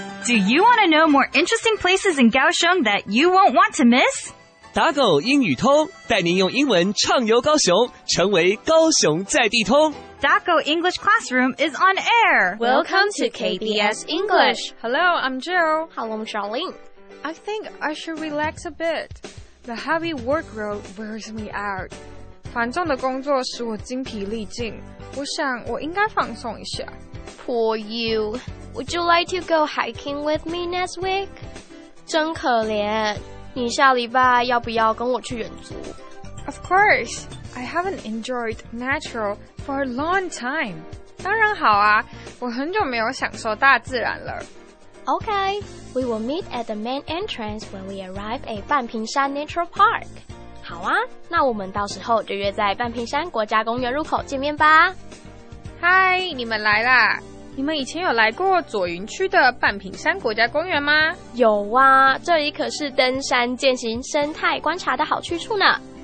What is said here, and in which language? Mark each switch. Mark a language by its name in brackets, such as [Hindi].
[English] Do you want to know more interesting places in Kaohsiung that you won't want to miss? [Chinese] 打狗英语通，带您用英文畅游高雄，成为高雄在地通。 [English] Daco English Classroom is on air. Welcome to KBS English. Hello, I'm Jill. Hello, I'm Charlene. I think I should relax a bit. The heavy workload wears me out. [Chinese] 繁重的工作使我筋疲力盡。我想我应该放松一下。 [English] Poor you. Would you like to go hiking with me next week? [Chinese] 真可怜。你下礼拜要不要跟我去远足? [English] Of course. I haven't enjoyed natural for a long time. [Chinese] 当然好啊，我很久没有享受大自然了。 [English] Okay, we will meet at the main entrance when we arrive at 半屏山 Natural Park. [Chinese] 好啊，那我们到时候就约在半屏山国家公园入口见面吧。 Hi, 你们来啦。你们以前有来过左营区的半屏山国家公园吗？有啊，这里可是登山健行生态观察的好去处呢。